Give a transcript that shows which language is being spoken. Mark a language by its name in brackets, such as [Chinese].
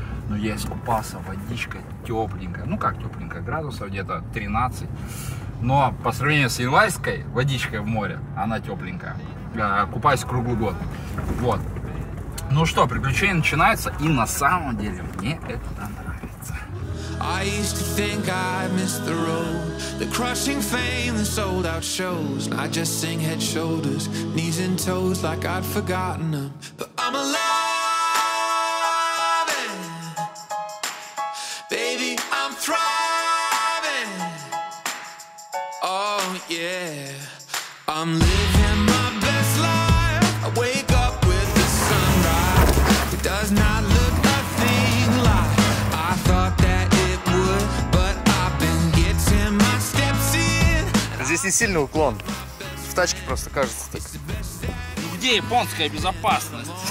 [Russian] Но я искупался, водичка тепленькая, ну как тепленькая, градусов где-то 13. Но по сравнению с Ильинской водичкой в море, она тепленькая. Купаюсь круглый год. Вот. Ну что, приключения начинаются, и на самом деле мне это нравится. [English] I used to think I missed the road. The crushing fame, the sold out shows. I just sing head, shoulders, knees and toes like I'd forgotten them. But I'm alive, baby, I'm thriving. Oh yeah, I'm living my best life. I wake up with the sunrise. It does not look a thing like I thought that it would, but I've been getting my steps in. [Russian] Здесь не сильный уклон. В тачке просто кажется так. Где японская безопасность?